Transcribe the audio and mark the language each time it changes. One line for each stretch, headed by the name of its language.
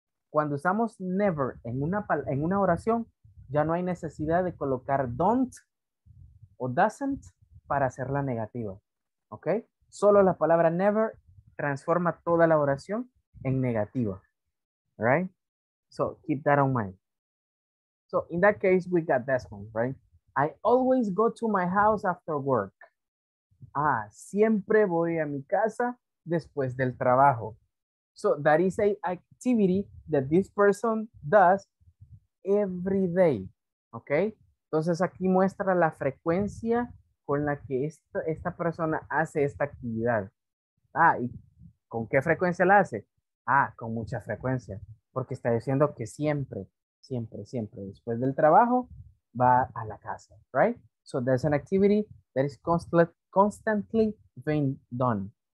Spanish: Cuando usamos never en una oración, ya no hay necesidad de colocar don't o doesn't para hacerla negativa, ¿ok? Solo la palabra never transforma toda la oración en negativa, right?
English: So, keep that on mind. So, in that case, we got this one, right? I always go to my house after work.
Spanish: Ah, siempre voy a mi casa después del trabajo.
English: So that is an activity that this person does every day, okay?
Spanish: Entonces aquí muestra la frecuencia con la que esta persona hace esta actividad. Ah, ¿y con qué frecuencia la hace? Ah, con mucha frecuencia, porque está diciendo que siempre, siempre, siempre, después del trabajo, va a la casa, right?
English: So that's an activity that is constantly being done.